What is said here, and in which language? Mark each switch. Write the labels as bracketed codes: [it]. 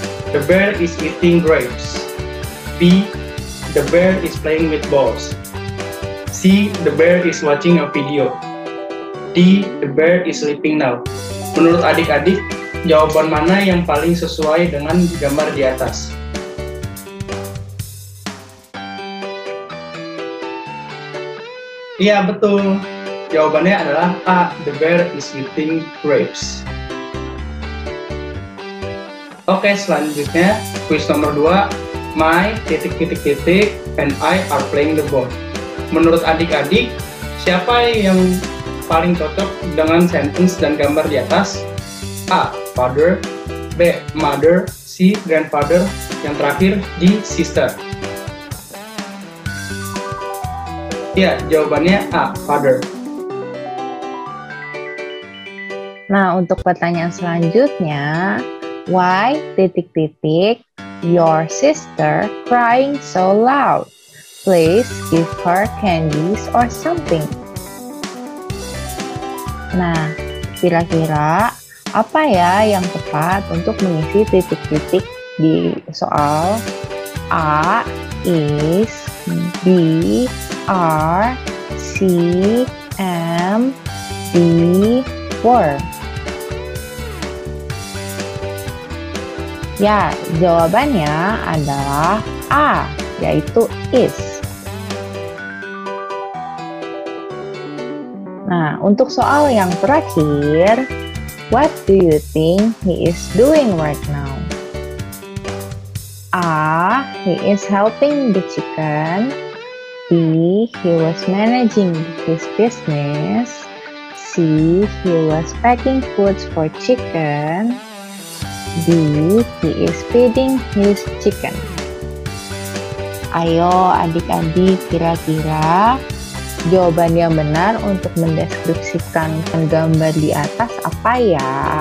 [en] The bear is eating grapes. B. The bear is playing with balls. C. The bear is watching a video. D. The bear is sleeping now. [id] Menurut adik-adik, jawaban mana yang paling sesuai dengan gambar di atas? Iya, betul. Jawabannya adalah A. [en] The bear is eating grapes. [id] Oke, selanjutnya, quiz nomor 2. My ... [en] and I are playing the ball. [id] Menurut adik-adik, siapa yang paling cocok dengan sentence dan gambar di atas? [en] A. Father. B. Mother. C. Grandfather. [id] Yang terakhir, [en] D. Sister. [id] Ya, jawabannya A. Father. Nah, untuk pertanyaan selanjutnya, why ... [en] your sister crying so loud? Please give her candies or something. [id] Nah, kira-kira apa ya yang tepat untuk mengisi ... di soal? A, is, B, R, C, M, D, were. Ya, jawabannya adalah A, yaitu is. Nah, untuk soal yang terakhir, [en] what do you think he is doing right now? A, he is helping the chicken. B, he was managing his business. C, he was packing foods for chicken. D, he is feeding his chicken. [id] Ayo adik-adik, kira-kira jawaban yang benar untuk mendeskripsikan penggambar di atas apa ya?